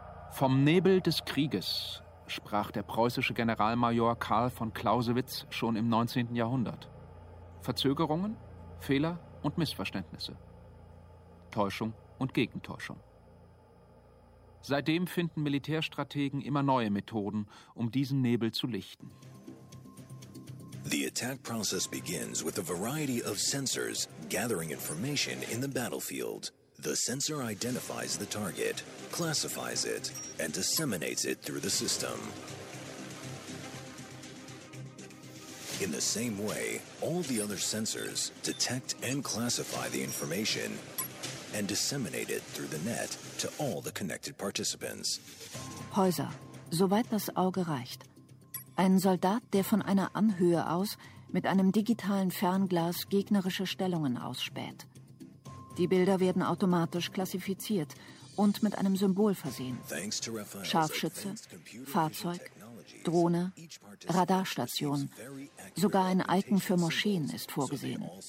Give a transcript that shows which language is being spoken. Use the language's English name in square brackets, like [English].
[German] Vom Nebel des Krieges sprach der preußische Generalmajor Karl von Clausewitz schon im 19. Jahrhundert. Verzögerungen, Fehler und Missverständnisse. Täuschung und Gegentäuschung. Seitdem finden Militärstrategen immer neue Methoden, um diesen Nebel zu lichten. [English] The attack process begins with a variety of sensors gathering information in the battlefield. The sensor identifies the target, classifies it, and disseminates it through the system. In the same way, all the other sensors detect and classify the information and disseminate it through the net to all the connected participants. [German] Häuser, soweit das Auge reicht. Ein Soldat, der von einer Anhöhe aus mit einem digitalen Fernglas gegnerische Stellungen ausspäht. Die Bilder werden automatisch klassifiziert und mit einem Symbol versehen. Scharfschütze, Fahrzeug, Drohne, Radarstation, sogar ein Icon für Moscheen ist vorgesehen.